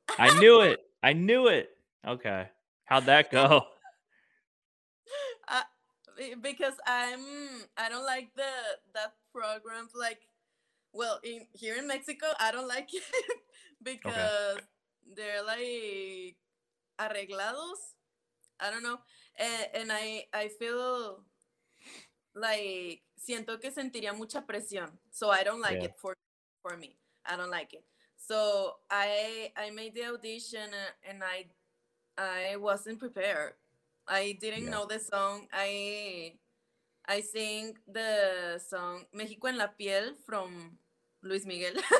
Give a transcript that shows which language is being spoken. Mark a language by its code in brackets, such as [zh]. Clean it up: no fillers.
[en] I knew it. Okay. How'd that go? Because I don't like that program. Like, well, here in Mexico, I don't like it because okay. they're like arreglados. I don't know. And I feel like [es] siento que sentiría mucha presión. [en] So I don't like yeah. it for me. I don't like it. So I made the audition and I wasn't prepared. I didn't yeah. know the song. I sing the song Mexico en la Piel from Luis Miguel.